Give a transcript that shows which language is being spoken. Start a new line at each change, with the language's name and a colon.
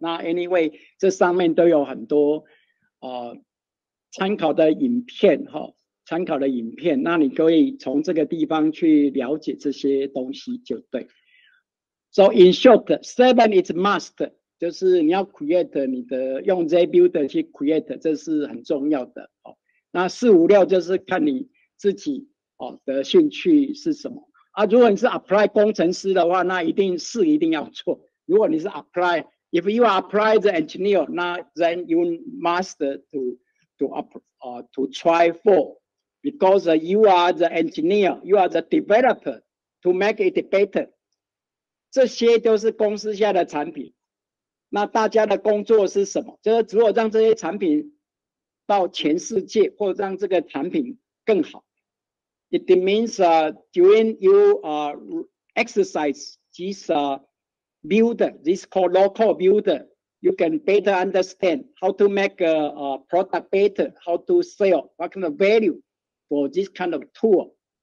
Chinese: 那 anyway， 这上面都有很多参考的影片哈、哦，参考的影片，那你可以从这个地方去了解这些东西就对。
English: So in short, seven is must，
Chinese: 就是你要 create 你的用 JBuilder 去 create， 这是很重要的哦。那四五六就是看你自己哦的兴趣是什么。啊，如果你是 apply 工程师的话，那一定是一定要做。如果你是
English: apply，if you are apply the engineer，
Chinese: 那
English: then you must to try for， because you are the engineer， you are the developer to make it better。
Chinese: 这些都是公司下的产品。那大家的工作是什么？就是如果让这些产品到全世界，或者让这个产品更好。
English: It means during you exercise this builder, this called local builder, you can better understand how to make a product better, how to sell, what kind of value for this kind of tool.